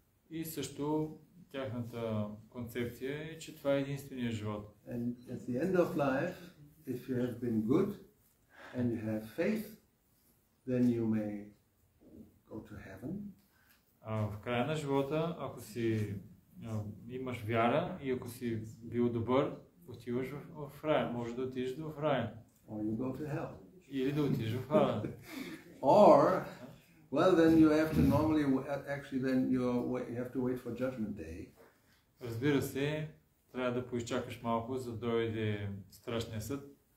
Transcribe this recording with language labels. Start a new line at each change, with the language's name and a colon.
Bulgarian: И също тяхната концепция е, че това е единственият живот.
English: And at the end of life, if you have been good and you have faith, then you may go to heaven.
Bulgarian: В края на живота, ако си имаш вяра и ако си бил добър, отиваш в рая. Може да отидеш в рая.
English: Or you go to hell.
Bulgarian: Или да отидеш в хада.
English: Or, well, then you have to normally, actually, then you have to wait for judgment day.
Bulgarian: Разбира се, трябва да поизчакаш малко, за да дойде страшния съд.